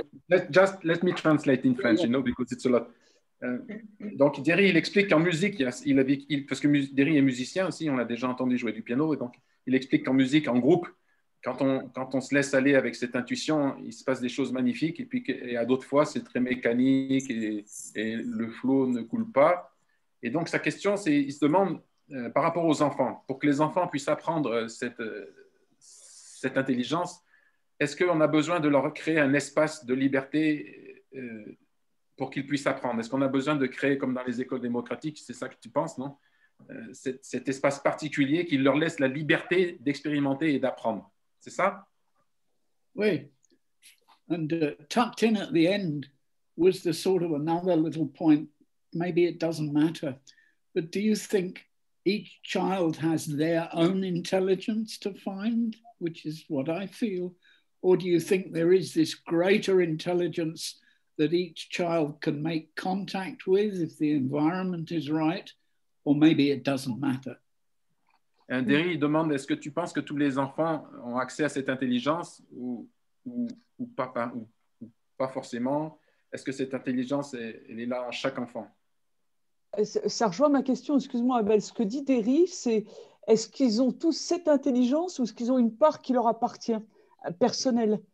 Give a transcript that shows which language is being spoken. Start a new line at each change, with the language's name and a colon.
English: Let me translate in French, you know, because it's a lot...
French: Donc Derry, il explique qu'en musique, parce que Derry est musicien aussi, on l'a déjà entendu jouer du piano, et donc il explique qu'en musique, en groupe, quand on se laisse aller avec cette intuition, il se passe des choses magnifiques, et à d'autres fois, c'est très mécanique et le flow ne coule pas. Et donc sa question, c'est, il se demande, par rapport aux enfants, pour que les enfants puissent apprendre cette intelligence, est-ce qu'on a besoin de leur créer un espace de liberté pour qu'ils puissent apprendre? Est-ce qu'on a besoin de créer, comme dans les écoles démocratiques, c'est ça que tu penses, non? Cet espace particulier qui leur laisse la liberté d'expérimenter et d'apprendre, c'est ça? Oui.
English: And tucked in at the end was the sort of another little point, maybe it doesn't matter, but do you think each child has their own intelligence to find, which is what I feel, or do you think there is this greater intelligence that each child can make contact with if the environment is right, or maybe it doesn't matter?
French: Derry demande, est-ce que tu penses que tous les enfants ont accès à cette intelligence ou pas forcément? Est-ce que cette intelligence, elle est là à chaque enfant? Ça rejoint ma question, excuse-moi Abel, ce que dit Derry, c'est, est-ce qu'ils ont tous cette intelligence ou est-ce qu'ils ont une part qui leur appartient, personnelle?